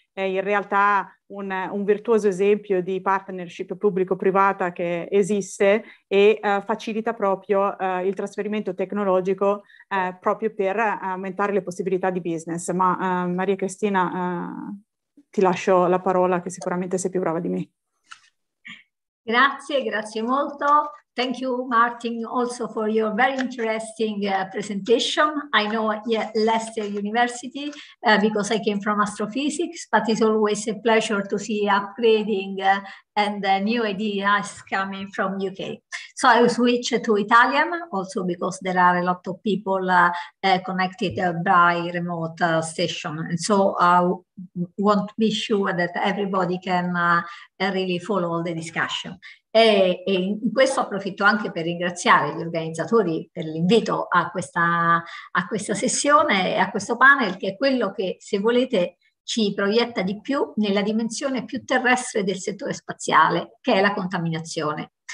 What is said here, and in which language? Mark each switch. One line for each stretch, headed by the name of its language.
Italian: È in realtà un virtuoso esempio di partnership pubblico-privata che esiste e facilita proprio il trasferimento tecnologico proprio per aumentare le possibilità di business. Ma Maria Cristina, ti lascio la parola, che sicuramente sei più brava di me. Grazie, grazie molto.
English: Thank you, Martin, also for your very interesting presentation. I know Leicester University because I came from astrophysics, but it's always a pleasure to see upgrading and new ideas coming from UK. So I will switch to Italian also because there are a lot of people connected by remote station. And so I want to be sure that everybody can really follow the discussion.
Italian: E in questo approfitto anche per ringraziare gli organizzatori per l'invito a questa sessione e a questo panel, che è quello che, se volete, ci proietta di più nella dimensione più terrestre del settore spaziale, che è la contaminazione.